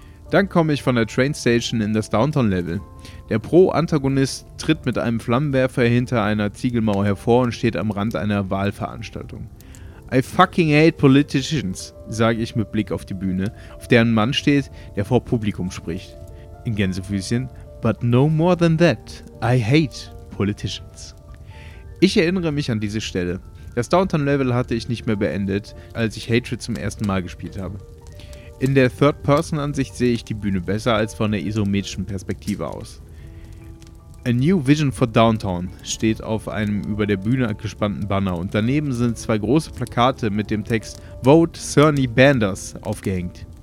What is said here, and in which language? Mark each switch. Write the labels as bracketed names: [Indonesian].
[German] Dann komme ich von der Trainstation in das Downtown-Level. Der Pro-Antagonist tritt mit einem Flammenwerfer hinter einer Ziegelmauer hervor und steht am Rand einer Wahlveranstaltung. [English] I fucking hate politicians, [German] sage ich mit Blick auf die Bühne, auf der ein Mann steht, der vor Publikum spricht. In Gänsefüßchen, [English] but no more than that, I hate politicians. [German] Ich erinnere mich an diese Stelle. Das Downtown-Level hatte ich nicht mehr beendet, als ich Hatred zum ersten Mal gespielt habe. In der Third-Person-Ansicht sehe ich die Bühne besser als von der isometrischen Perspektive aus. [English] A new vision for Downtown [German] steht auf einem über der Bühne gespannten Banner und daneben sind zwei große Plakate mit dem Text Vote Cerny Banders aufgehängt.